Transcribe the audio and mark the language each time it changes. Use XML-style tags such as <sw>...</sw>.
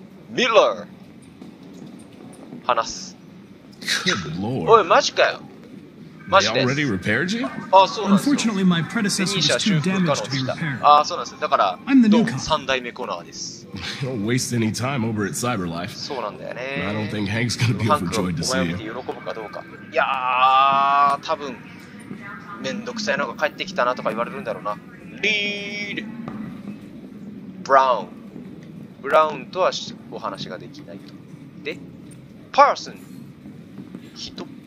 <ja>ミラー。話す。おい、マジかよ。マジです。あ、そうなんですよ。ペニーシャ修復可能でした。あ、そうなんですよ。だから、どうも3代目コナーです。</ja> <en>Don't waste any time over at CyberLife.</en> <ja>そうなんだよね。</ja> <en>I don't think Hank's gonna be overjoyed to see you.</en> <ja>喜ぶかどうか。いやー、多分めんどくさいのが帰ってきたなとか言われるんだろうな。リード。ブラウン。ブラウンとはお話ができないと。で、パーソン。人。</ja>